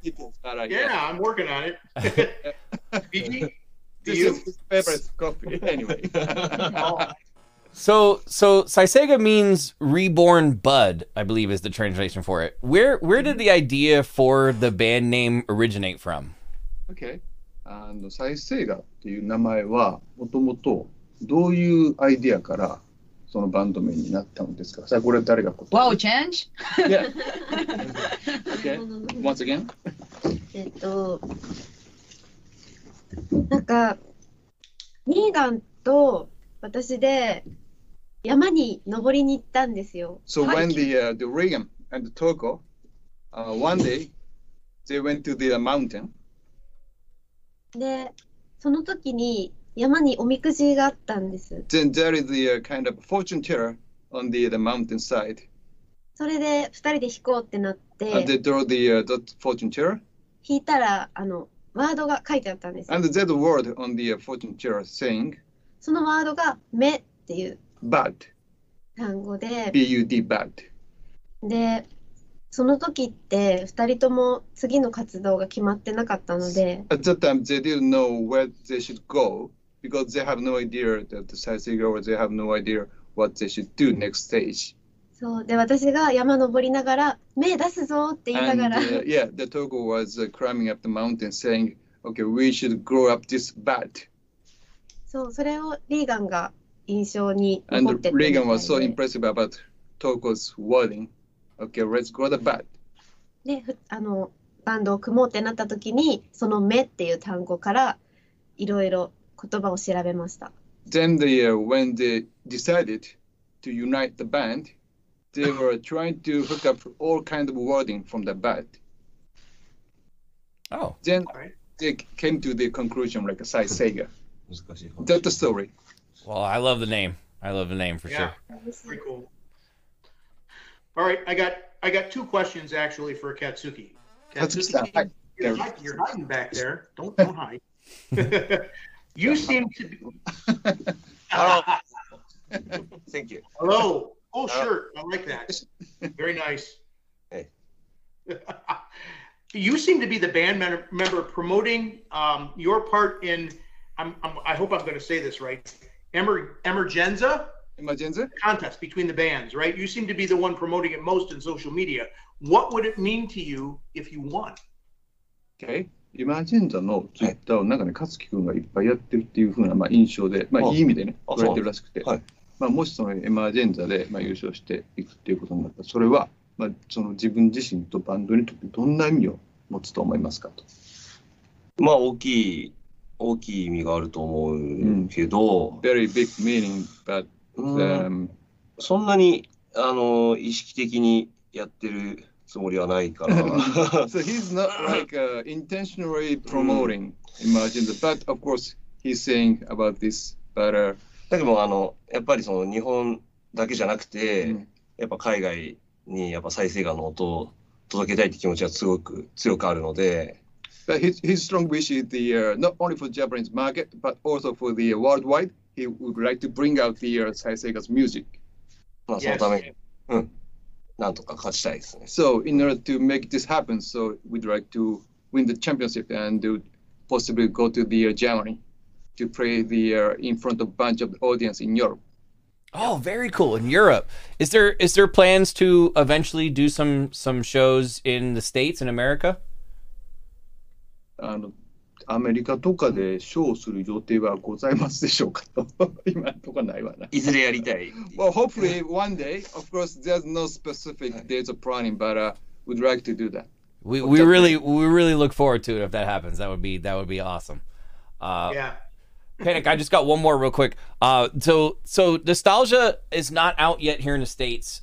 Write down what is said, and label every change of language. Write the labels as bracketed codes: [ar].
[en] Yeah, I'm working on it. This is his favorite coffee anyway. So Saiseiga means reborn bud, I believe is the translation for it. Where did the idea for the band name originate from? Okay. [ja] Saiseiga っていう名前はもともとどういうアイディアからそのバンド名になったんですか？さあこれ誰が答 [en] え Wow, change? Yeah. Okay. Once again. [ja] なんか、ミーガンと私で山に登りに行ったんですよ。 [en] So when the Regan and the Toko, one day they went to the mountain. [ja] で、その時に山におみくじがあったんです。 [en] Then there is the kind of fortune teller on the mountain side. [ja] それで2人で引こうってなって。 [en] And they draw the fortune teller. [ja] 引いたらあのワードが書いてあったんです。 [en] And there's a word on the fortune teller saying. [ja] そのワードが目っていう。 [en] Bud. [ja] 単語で [en] BUD bud. [ja] で、その時って2人とも次の活動が決まってなかったので。 [en] At that time, they didn't know where they should go because they have no idea that the size they go or they have no idea what they should do next stage. [ja] そう、で、私が山登りながら、目出すぞって言いながら。 [en] And, yeah, the Togo was climbing up the mountain saying, okay, we should grow up this bud. [ja] そう、それをリーガンが。印象に残ってて。 [en] And Regan was so impressive about Toko's wording. Okay, let's grow the bud. [ja] で、あのバンドを組もうってなった時に、その目っていう単語からいろいろ言葉を調べました。 [en] Then they, when they decided to unite the band, they were trying to hook up all kind of wording from the bud. Oh. Then they came to the conclusion like a Saiseiga. [ja] 難しい。 [en] That's the story. Well, I love the name. I love the name for sure. Yeah, pretty cool. All right, I got two questions actually for Katsuki. Katsuki, you're hiding back there. Don't hide. You seem to be... Hello. Thank you. Hello. Oh, sure. I like that. Very nice. Hey. You seem to be the band member promoting your part in... I hope I'm going to say this right... Emergenza contest between the bands, right? You seem to be the one promoting it most in social media. What would it mean to you if you won? Okay. [ja] Emergenza のツイッターをなんかね、勝木くんがいっぱいやってるっていう風な、まあ、印象で、まあ、いい意味でね、言われてるらしくて、はい、まあ、もしそのEmergenzaで、まあ、優勝していくっていうことになったら、それは、まあ、その自分自身とバンドにとってどんな意味を持つと思いますかと。まあ、大きい意味があると思うけど、うん、 [en] Very big meaning, but, [ja] そんなに意識的にやってるつもりはないから。 [en] So he's not like intentionally promoting Emergenza, but of course he's saying about this better. [ja] だけどやっぱりその日本だけじゃなくて、やっぱ海外にやっぱ Saiseigaの音を届けたいって気持ちはすごく強くあるので。 [en] But his strong wish is the not only for Japanese market but also for the worldwide. He would like to bring out the Saiseiga's music. [ja] まあそのため、なんとか勝ちたいですね。 [en] So in order to make this happen, so we'd like to win the championship and possibly go to the Germany to play the in front of a bunch of audience in Europe. Oh, very cool in Europe. Is there plans to eventually do some shows in the States in America? [ja] アメリカとかでショーをする予定はございますでしょうかと今とかないわな。いずれやりたい。 [en] Well, hopefully one day. Of course, there's no specific dates of planning, but we'd like to do that. We really look forward to it if that happens. That would be awesome. Panic, I just got one more real quick. So Nostalgia is not out yet here in the States.